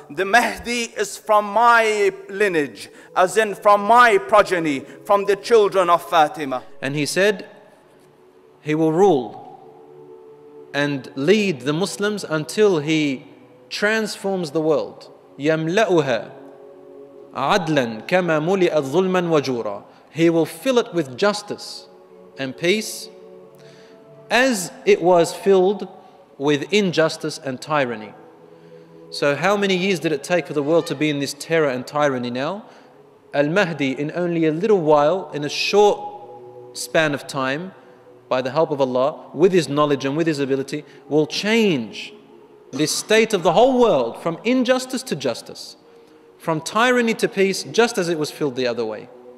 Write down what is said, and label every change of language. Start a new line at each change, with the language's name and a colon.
English: The Mahdi is from my lineage, as in from my progeny, from the children of Fatima. And he said, he will rule and lead the Muslims until he transforms the world.
Arabic: يَمْلَأُهَا عَدْلًا كَمَا مُلِئَ الظُّلْمًا وَجُورًا.
English: He will fill it with justice and peace as it was filled with injustice and tyranny. So how many years did it take for the world to be in this terror and tyranny now? Al-Mahdi, in only a little while, in a short span of time, by the help of Allah, with his knowledge and with his ability, will change this state of the whole world from injustice to justice, from tyranny to peace, just as it was filled the other way.